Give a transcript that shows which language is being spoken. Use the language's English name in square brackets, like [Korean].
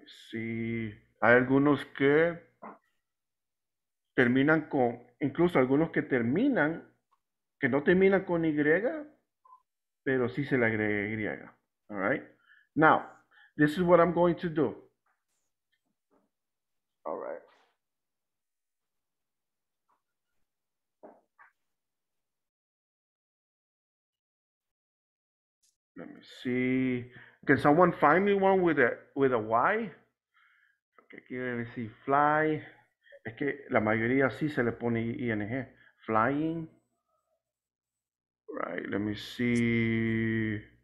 [Spanish] Sí, hay algunos que terminan con, incluso algunos que terminan, que no terminan con Y, pero sí se le agrega Y. [English] All right. Now, this is what I'm going to do. All right. Let me see. Can someone find me one with a Y? [Spanish] Que quiere decir fly, es que la mayoría sí se le pone ing, flying, [English] right, let me see.